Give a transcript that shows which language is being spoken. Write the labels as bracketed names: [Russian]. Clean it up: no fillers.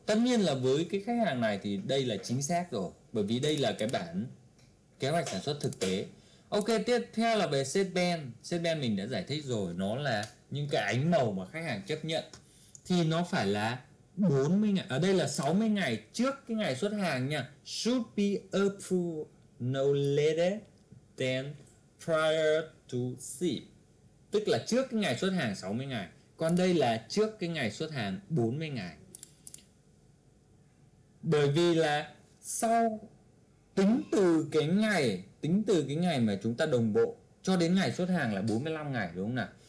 [Vietnamese] Tất nhiên là với cái khách hàng này thì đây là chính xác rồi, bởi vì đây là cái bản kế hoạch sản xuất thực tế. Ok, tiếp theo là về setband. Setband mình đã giải thích rồi, nó là những cái ánh màu mà khách hàng chấp nhận. Thì nó phải là 40 ngày, ở đây là 60 ngày trước cái ngày xuất hàng nha. [English] Should be approved no later than prior to ship. [Vietnamese] Tức là trước cái ngày xuất hàng 60 ngày. Còn đây là trước cái ngày xuất hàng 40 ngày. Bởi vì là sau tính từ cái ngày mà chúng ta đồng bộ cho đến ngày xuất hàng là 45 ngày đúng không nào?